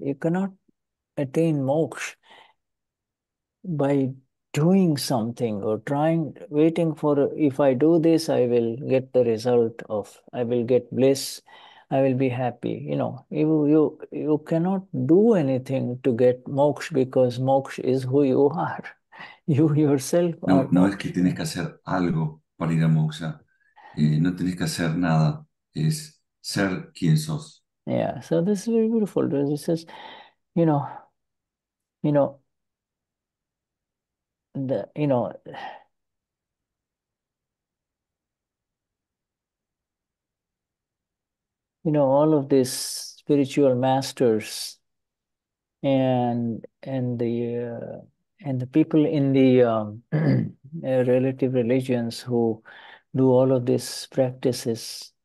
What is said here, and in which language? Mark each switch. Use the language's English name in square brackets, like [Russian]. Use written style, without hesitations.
[English] You cannot attain moksha by doing something or trying, waiting for, if I do this, I will get the result of, I will get bliss, I will be happy. You know, you cannot do anything to get moksha because moksha is who you are. You yourself [Spanish] no, [English] are. [Spanish] No, es que tienes que hacer algo para ir a moksha. No tienes que hacer nada, es ser quien sos. [English] Yeah, so this is very beautiful. This is, you know, you know, all of these spiritual masters and the people in the relative religions who do all of these practices,